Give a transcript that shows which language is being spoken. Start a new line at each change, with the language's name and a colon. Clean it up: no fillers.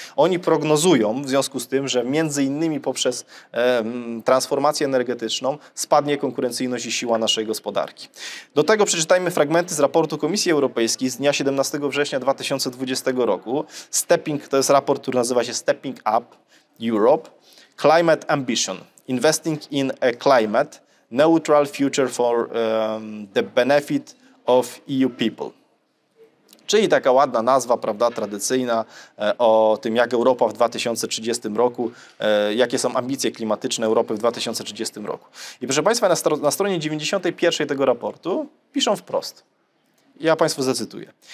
Polish: Oni prognozują w związku z tym, że między innymi poprzez transformację energetyczną spadnie konkurencyjność i siła naszej gospodarki. Do tego przeczytajmy fragmenty z raportu Komisji Europejskiej z dnia 17 września 2020 roku. Stepping, to jest raport, który nazywa się Stepping Up Europe.
English: Climate Ambition, Investing in a Climate Neutral future for the benefit of EU people.
Polish: Czyli taka ładna nazwa, prawda, tradycyjna o tym, jak Europa w 2030 roku, jakie są ambicje klimatyczne Europy w 2030 roku. I proszę państwa, na stronie 91 tego raportu piszą wprost. Ja państwu zacytuję.